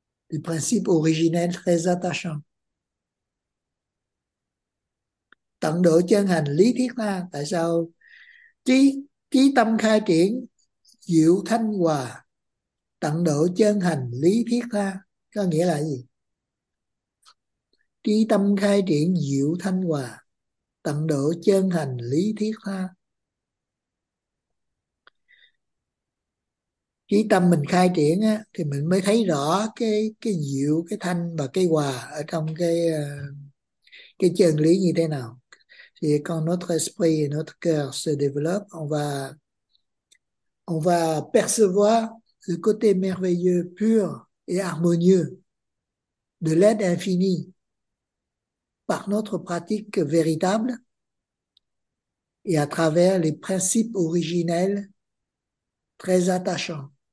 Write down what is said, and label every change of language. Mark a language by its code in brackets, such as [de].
[fr] Les principes originels très attachants. [vi] Tận độ chân hành lý thuyết ha, tại sao trí trí tâm khai triển diệu thanh hòa tận độ chân hành lý thuyết ha, có nghĩa là gì? Trí tâm khai triển diệu thanh hòa tận độ chân hành lý thuyết ha, trí tâm mình khai triển á thì mình mới thấy rõ cái diệu, cái thanh và cái hòa ở trong cái chân lý như thế nào. [fr] Et quand notre esprit et notre cœur se développent, on va percevoir le côté merveilleux, pur et harmonieux de l'aide infinie par notre pratique véritable et à travers les principes originels très attachants.